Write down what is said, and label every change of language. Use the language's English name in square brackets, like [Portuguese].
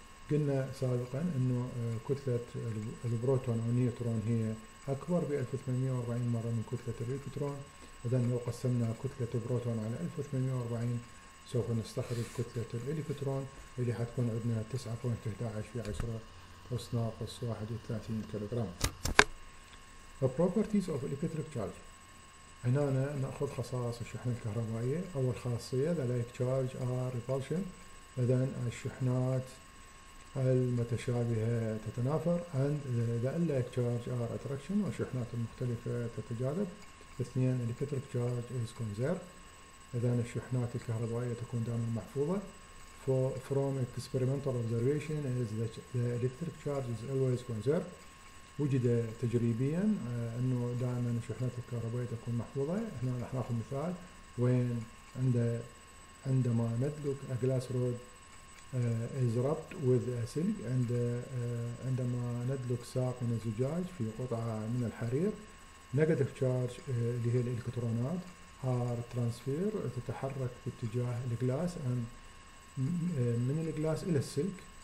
[Arabic] قلنا سابقا إنه كتلة البروتون أو النيوترون هي أكبر ب 1840 مرة من كتلة الإلكترون. إذا لو قسمنا كتلة البروتون على 1840 سوف نستخرج كتلة الإلكترون اللي حتكون عندنا 9.11 في 10 أس ناقص 31 كيلوغرام. [English] The properties of electric charge. [Arabic] هنا نأخذ خصائص الشحنة الكهربائية. أول خاصية [English] the like charge are repulsion. [Arabic] إذا الشحنات المتشابهة تتنافر. [English] And the unlike charge are attraction. [Arabic] والشحنات المختلفة تتجاذب. [English] 2 electric charge is conserved. [Arabic] إذا الشحنات الكهربائية تكون دائما محفوظة. [English] From experimental observation is that the electric charge is always conserved. [Arabic] وجد تجريبيا انه دائما الشحنات الكهربائية تكون محفوظة. هنا راح ناخذ مثال وين عندما ندلك [English] a glass rod is wrapped with a silk. [Arabic] عندما ندلك ساق من الزجاج في قطعة من الحرير. negative charge اللي هي الالكترونات [English] are transfer [Arabic] تتحرك باتجاه الجلاس and من الجلاس الى السلك.